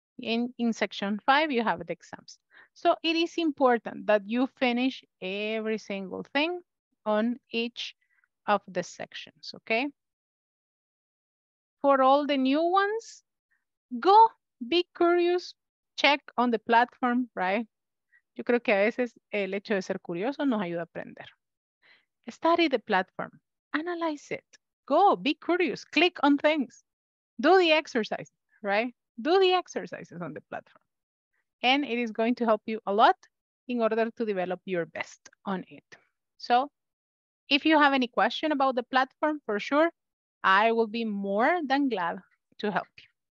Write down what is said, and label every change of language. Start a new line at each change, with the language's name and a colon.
English: In section five, you have the exams. So it is important that you finish every single thing on each of the sections, okay? For all the new ones, go be curious, check on the platform, right?
Spanish: Yo creo que a veces el hecho de ser curioso nos ayuda a aprender.
English: Study the platform, analyze it, go be curious, click on things, do the exercise, right? Do the exercises on the platform. And it is going to help you a lot in order to develop your best on it. So if you have any question about the platform, for sure, I will be more than glad to help you.